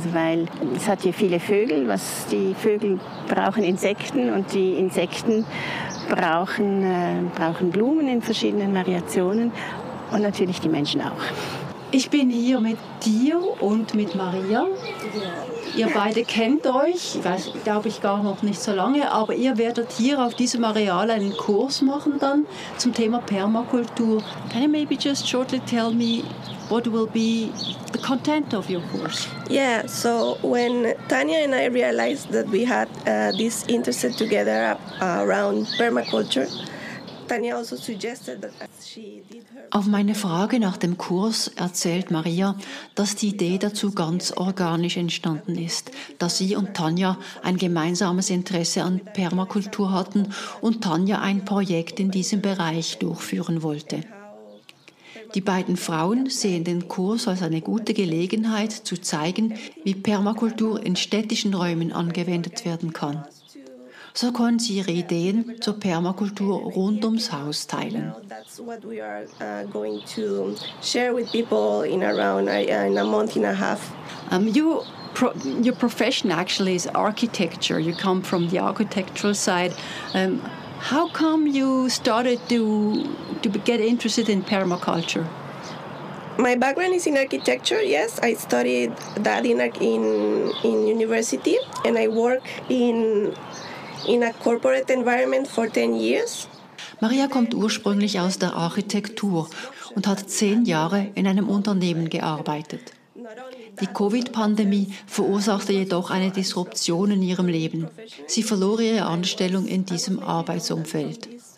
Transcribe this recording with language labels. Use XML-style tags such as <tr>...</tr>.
<de>Also weil es hat hier viele Vögel, was die Vögel brauchen, Insekten, und die Insekten brauchen Blumen in verschiedenen Variationen und natürlich die Menschen auch. Ich bin hier mit dir und mit Maria. Ihr beide kennt euch, glaube ich, gar noch nicht so lange, aber ihr werdet hier auf diesem Areal einen Kurs machen dann zum Thema Permakultur.</de> <en>Can you maybe just shortly tell me what will be the content of your course? Yeah, so when Tanja and I realized that we had this interest together around permaculture, Tanja also suggested that she did her...</en> <de>Auf meine Frage nach dem Kurs erzählt Maria, dass die Idee dazu ganz organisch entstanden ist, dass sie und Tanja ein gemeinsames Interesse an Permakultur hatten und Tanja ein Projekt in diesem Bereich durchführen wollte. Die beiden Frauen sehen den Kurs als eine gute Gelegenheit, zu zeigen, wie Permakultur in städtischen Räumen angewendet werden kann. So konnten sie ihre Ideen zur Permakultur rund ums Haus teilen.</de> <en>That's what we are going to share with people in around in a month and a half. Your profession actually is architecture. You come from the architectural side. How come you started to get interested in permaculture? My background is in architecture. Yes, I studied that in university, and I work in a corporate environment for 10 years.</en> <de>Maria kommt ursprünglich aus der Architektur und hat 10 Jahre in einem Unternehmen gearbeitet. Die Covid-Pandemie verursachte jedoch eine Disruption in ihrem Leben. Sie verlor ihre Anstellung in diesem Arbeitsumfeld.</de>